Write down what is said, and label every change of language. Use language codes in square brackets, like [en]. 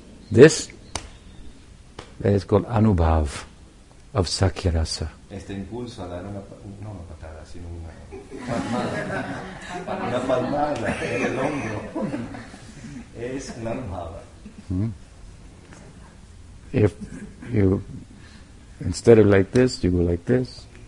[en] This, that is called anubhav of sakya rasa. [es] Este impulso a dar una patada, sino una palmada. Una palmada en el hombro es un anubhav. [en] If you, instead of like this, you go like this.